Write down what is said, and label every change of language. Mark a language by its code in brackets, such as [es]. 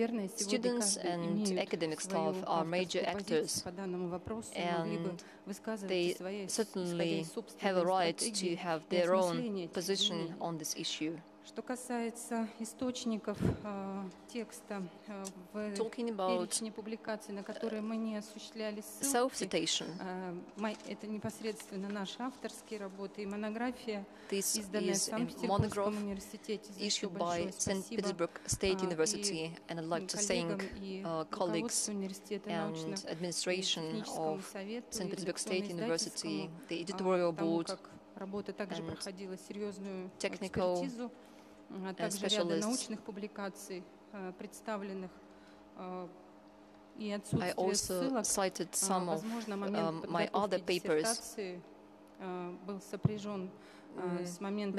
[en] Students and academic staff are major actors, and they certainly have a right to have their own position on this issue. [ru] Что касается источников текста в перечне публикаций, на которые мы не осуществляли ссылки, это непосредственно наши авторские работы и монография, изданная в Санкт-Петербургском университете. [en] This is a monograph issued by St. Petersburg State University, and I'd like to thank colleagues and administration of St. Petersburg State University, the editorial board, [ru] работа также проходила серьезную экспертизу. Также ряда научных публикаций, представленных, и отсутствие ссылок, возможно, момент подготовки был сопряжен с моментом